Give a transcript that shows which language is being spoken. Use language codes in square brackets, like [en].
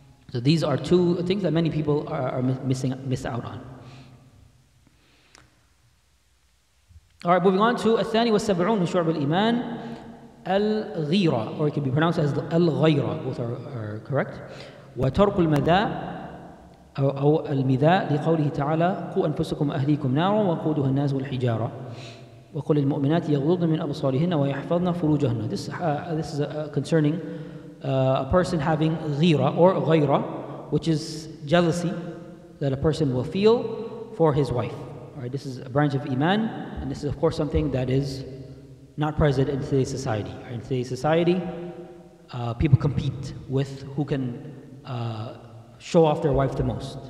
[en] So these are two things that many people are miss out on. All right, moving on to [ar] الثاني والسبعون من شعب الإيمان الغيرة, [en] or it can be pronounced as الغيرة, both are correct. [ar] وترك المذاء أو المذاء لقوله تعالى قو أنفسكم أهليكم نارا وقودها الناس والحجارة وقل المؤمنات يغضضن من أبصارهن ويحفظن فروجهن. [en] This is concerning a person having ghira or ghaira, which is jealousy that a person will feel for his wife. All right, this is a branch of iman, and this is of course something that is not present in today's society. In today's society, people compete with who can show off their wife the most.